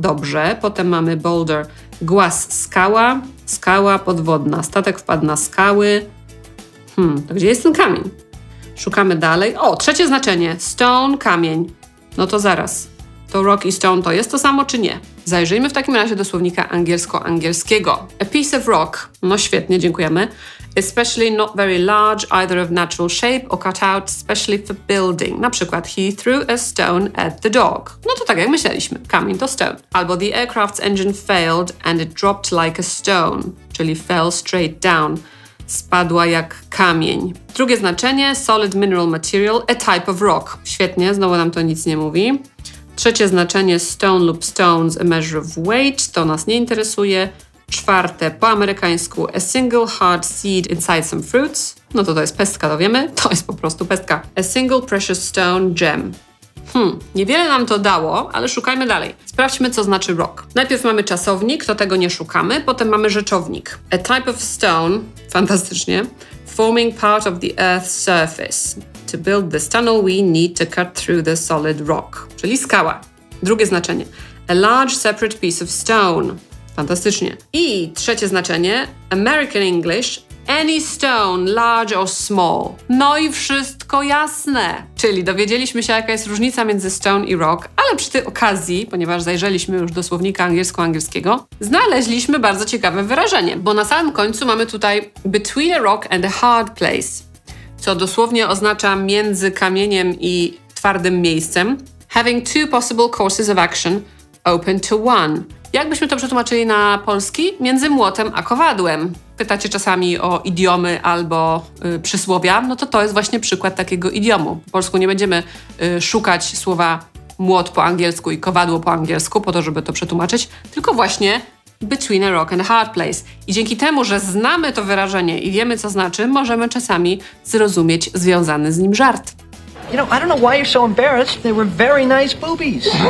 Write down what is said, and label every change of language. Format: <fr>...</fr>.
<pl>Dobrze, potem mamy boulder, głaz skała, skała podwodna, statek wpadł na skały. To gdzie jest ten kamień? Szukamy dalej. O, trzecie znaczenie. Stone, kamień. No to zaraz. To rock i stone to jest to samo, czy nie? Zajrzyjmy w takim razie do słownika angielsko-angielskiego.</pl> <en>A piece of rock,</en> <pl>no świetnie, dziękujemy.</pl> <en>Especially not very large, either of natural shape or cut out, especially for building.</en> <pl>Na przykład,</pl> <en>he threw a stone at the dog.</en> <pl>No to tak jak myśleliśmy, kamień to stone. Albo</pl> <en>the aircraft's engine failed and it dropped like a stone,</en> <pl>czyli</pl> <en>fell straight down.</en> <pl>Spadła jak kamień. Drugie znaczenie,</pl> <en>solid mineral material, a type of rock.</en> <pl>Świetnie, znowu nam to nic nie mówi. Trzecie znaczenie, stone lub stones,</pl> <en>a measure of weight,</en> <pl>to nas nie interesuje. Czwarte, po amerykańsku,</pl> <en>a single hard seed inside some fruits.</en> <pl>No to jest pestka, to wiemy, to jest po prostu pestka.</pl> <en>A single precious stone gem.</en> <pl>Niewiele nam to dało, ale szukajmy dalej. Sprawdźmy, co znaczy rock. Najpierw mamy czasownik, to tego nie szukamy, potem mamy rzeczownik.</pl> <en>A type of stone,</en> <pl>fantastycznie,</pl> <en>forming part of the earth's surface. To build this tunnel, we need to cut through the solid rock.</en> <pl>Czyli skała. Drugie znaczenie.</pl> <en>A large separate piece of stone.</en> <pl>Fantastycznie. I trzecie znaczenie.</pl> <en>American English. Any stone, large or small.</en> <pl>No i wszystko jasne. Czyli dowiedzieliśmy się, jaka jest różnica między stone i rock, ale przy tej okazji, ponieważ zajrzeliśmy już do słownika angielsko-angielskiego, znaleźliśmy bardzo ciekawe wyrażenie, bo na samym końcu mamy tutaj</pl> <en>between a rock and a hard place.</en> <pl>Co dosłownie oznacza między kamieniem i twardym miejscem.</pl> <en>Having two possible courses of action, open to one.</en> <pl>Jak byśmy to przetłumaczyli na polski? Między młotem a kowadłem. Pytacie czasami o idiomy albo przysłowia, no to to jest właśnie przykład takiego idiomu. Po polsku nie będziemy szukać słowa młot po angielsku i kowadło po angielsku, po to, żeby to przetłumaczyć, tylko właśnie</pl> <en>Between a Rock and a Hard Place.</en> <pl>I dzięki temu, że znamy to wyrażenie i wiemy, co znaczy, możemy czasami zrozumieć związany z nim żart.</pl> <en>You know, I don't know why you're so embarrassed. They were very nice boobies.</en>